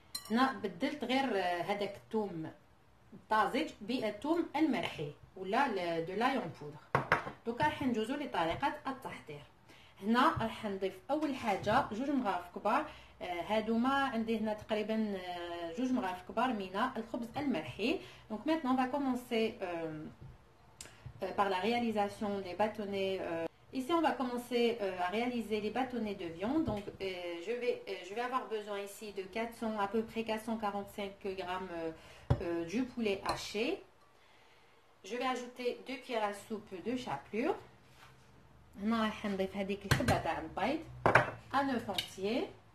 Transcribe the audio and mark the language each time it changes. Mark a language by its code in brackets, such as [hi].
[ar] هنا بدلت غير هذاك الثوم الطازج بالثوم المرحي ولا [fr] دو لايون بودر. [ar] دوكا راح نجوزوا لطريقه التحضير. هنا راح نضيف اول حاجه جوج مغارف كبار. هادوما عندي هنا تقريبا جوج مغارف كبار من الخبز المرحي. [fr] دونك maintenant on va commencer par la réalisation des bâtonnets. Ici on va commencer à réaliser les bâtonnets de viande. Donc je vais avoir besoin ici de 400 à peu près 445 g du poulet haché. Je vais ajouter 2 cuillères à soupe de chapelure. [ar] هنا راح نضيف هذيك الحبه تاع البيض ان فونتيير.